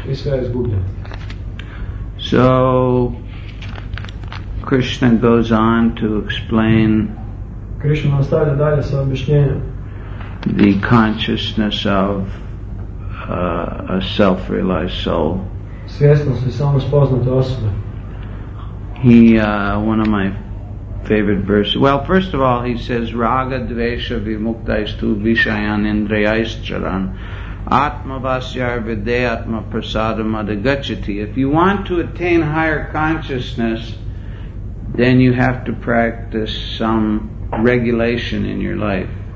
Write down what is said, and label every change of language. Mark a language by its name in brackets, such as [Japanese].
[Croatian] I sve je zgubljeno. [English] So Krishna goes on to explain [Croatian] Krishna nastavlja dalje sa objašnjenjem [English] the consciousness of a self-realized soul. [Croatian] Svjesnost i samospoznate osobe. [English] He one of my favorite verses. Well, first of all, he says [Sanskrit] raga dvesha vimuktaistu vishayan indriyaischaran atmavasyar vidyatma prasadam adagacchati. [English] If you want to attain higher consciousness, then you have to practice some regulation in your life.